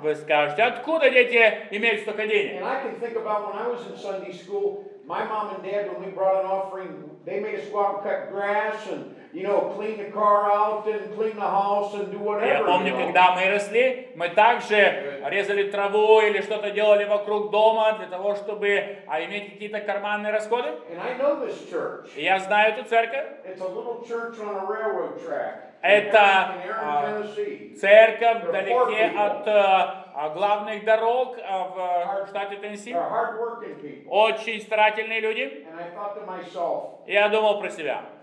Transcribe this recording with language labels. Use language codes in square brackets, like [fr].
[ru] Вы скажете, откуда дети имеют столько денег? [en] And I can think about when I was in Sunday school, my mom and dad, when we brought an offering, they made us go out and cut grass and, you know, clean the car out and clean the house and do whatever. [ru] Я помню, [en] you know, [ru] когда мы росли, мы также резали траву или что-то делали вокруг дома для того, чтобы иметь какие-то карманные расходы. [en] And I know this church. [ru] Я знаю эту церковь. [en] It's a little church on a railroad track. [ru] Это церковь вдалеке от главных дорог в штате Теннесси. Очень старательные люди. Я думал про себя.